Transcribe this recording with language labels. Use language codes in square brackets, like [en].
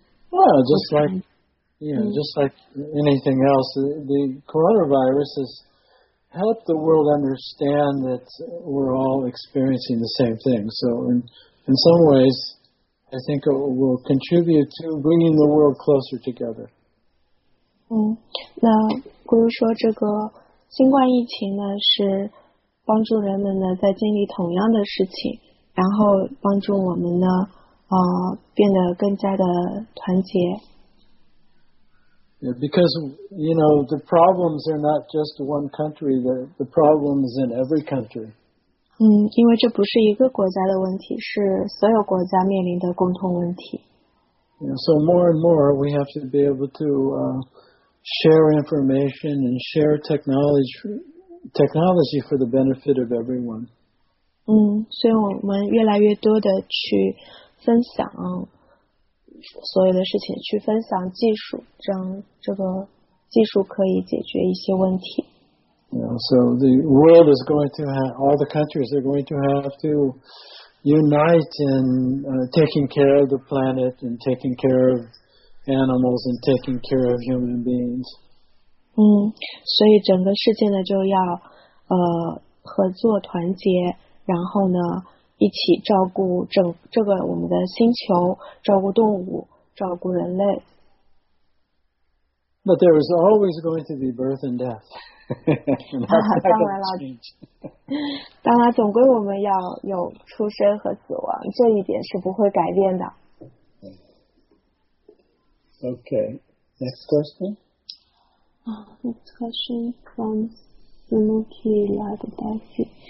[en] Well, just like anything else, the coronavirus has helped the world understand that we're all experiencing the same thing. So in some ways, I think it will contribute to bringing the world closer together. [zh] 那比如说这个新冠疫情呢是帮助人们呢在经历同样的事情，然后帮助我们呢变得更加的团结。 [en] Yeah, because, you know, the problems are not just one country, the problem is in every country. [zh] 因为这不是一个国家的问题，是所有国家面临的共同问题。 [en] Yeah, so more and more we have to be able to share information and share technology for the benefit of everyone. [zh] 所以我们越来越多的去分享所有的事情，去分享技术，让这个技术可以解决一些问题。 [en] So the world is going to have, all the countries are going to have to unite in taking care of the planet and taking care of animals and taking care of human beings. [zh] 所以整个世界呢就要合作团结，然后呢一起照顾这个我们的星球，照顾动物，照顾人类。 [en] But there is always going to be birth and death. [zh] 当然了，当然总归我们要有出生和死亡，这一点是不会改变的。 [en] Okay, next question. Next question from Sunuki Labdasi.